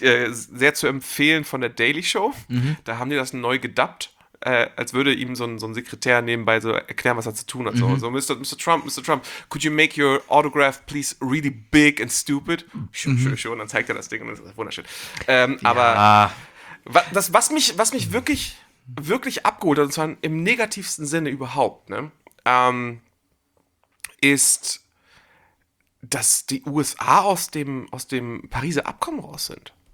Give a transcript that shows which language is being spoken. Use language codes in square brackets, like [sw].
[de] Sehr zu empfehlen von der Daily Show. Mhm. Da haben die das neu gedubbt, als würde ihm so ein Sekretär nebenbei so erklären, was er zu tun hat. Mhm. [en] So, Mr. Trump, could you make your autograph please really big and stupid? [de] Schon, dann zeigt er das Ding und das ist wunderschön. Aber was mich wirklich, wirklich abgeholt hat, und zwar im negativsten Sinne überhaupt, ne? Ist, dass die USA aus dem Pariser Abkommen raus sind.